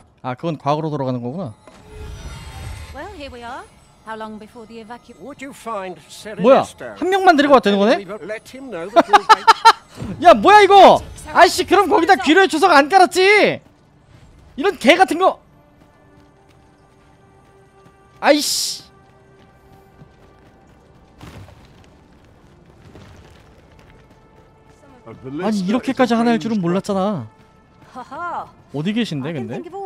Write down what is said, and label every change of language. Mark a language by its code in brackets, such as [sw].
[ko] 아, 그건 과거로 돌아가는 거구나. [en] Well, here we are. How long before the evacuation? Would you find Sereester? [ko] 뭐야? 한 명만 데리고 왔다는 거네? [en] Let him know that you'll wait. [ko] 야, 뭐야 이거? 아이씨, 그럼 거기다 귀로의 주석 안 깔았지? 이런 개 같은 거. 아이씨. 아니, 이렇게까지 하나일 줄은 몰랐잖아. 어디 계신데 근데?